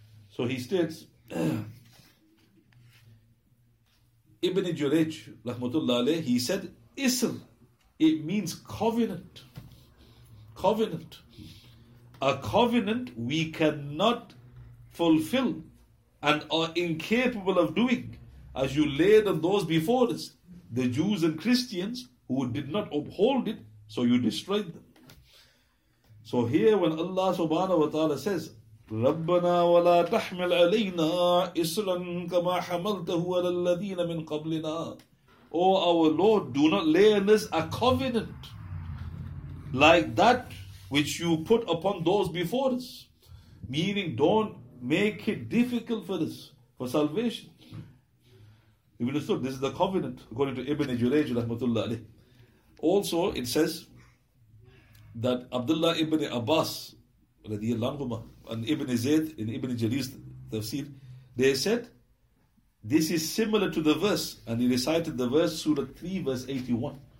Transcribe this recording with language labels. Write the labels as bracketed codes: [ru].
[en] So he states, Ibn Jurayj, rahmatullah alayh, he said, Isr, it means covenant. Covenant. A covenant we cannot fulfill and are incapable of doing, as you laid on those before us, the Jews and Christians who did not uphold it, so you destroyed them. So here when Allah subhanahu wa ta'ala says, [ar] رَبَّنَا وَلَا تَحْمِلْ عَلَيْنَا إِسْرًا كَمَا حَمَلْتَهُ عَلَى الَّذِينَ مِنْ قَبْلِنَا. [en] O our Lord, do not lay on us a covenant like that which you put upon those before us. Meaning, don't make it difficult for us, for salvation. You understood? This is the covenant, according to Ibn Jurayj, rahmatullah alayh. Also, it says that Abdullah ibn Abbas, radiyallahu anhuma, and Ibn Zayd in Ibn Jarir's tafsir, they said, this is similar to the verse, and he recited the verse, Surah 3, verse 81.